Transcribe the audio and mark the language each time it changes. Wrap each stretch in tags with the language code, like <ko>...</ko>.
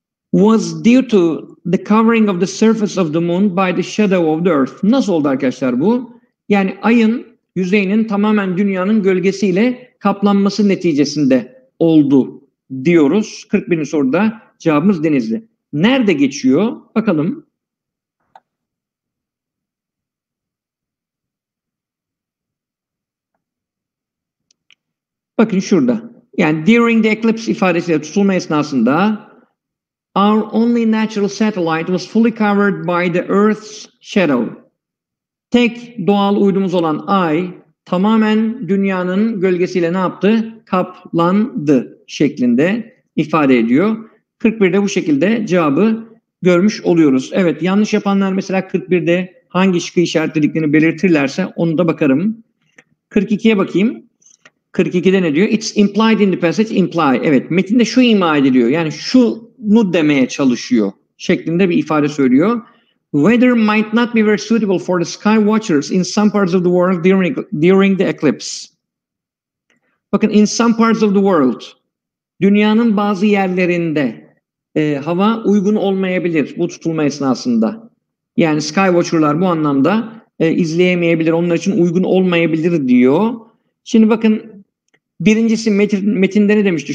<en>Was due to the covering of the surface of the moon by the shadow of the earth.</en> <tr>Nasıl oldu arkadaşlar bu? Yani ayın yüzeyinin tamamen dünyanın gölgesiyle kaplanması neticesinde oldu diyoruz. 41. soruda cevabımız Denizli. Nerede geçiyor? Bakalım. Bakın şurada.</tr> <en>Yani during the eclipse</en> <tr>ifadesiyle tutulma esnasında</tr> <en>our only natural satellite was fully covered by the Earth's shadow.</en> <tr>Tek doğal uydumuz olan Ay tamamen dünyanın gölgesiyle ne yaptı? Kaplandı şeklinde ifade ediyor. 41'de bu şekilde cevabı görmüş oluyoruz. Evet yanlış yapanlar mesela 41'de hangi şıkkı işaretlediklerini belirtirlerse onu da bakarım. 42'ye bakayım. 42'de ne diyor?</tr> <en>It's implied in the passage.</en> <tr>Imply. Evet. Metinde şu ima ediliyor. Yani şunu demeye çalışıyor. Şeklinde bir ifade söylüyor.</tr> <en>Weather might not be very suitable for the sky watchers in some parts of the world during the eclipse. Bakın in some parts of the world.</en> <tr>Dünyanın bazı yerlerinde hava uygun olmayabilir bu tutulma esnasında. Yani sky watcherlar bu anlamda izleyemeyebilir. Onlar için uygun olmayabilir diyor. Şimdi bakın birincisi metinde ne demişti?</tr>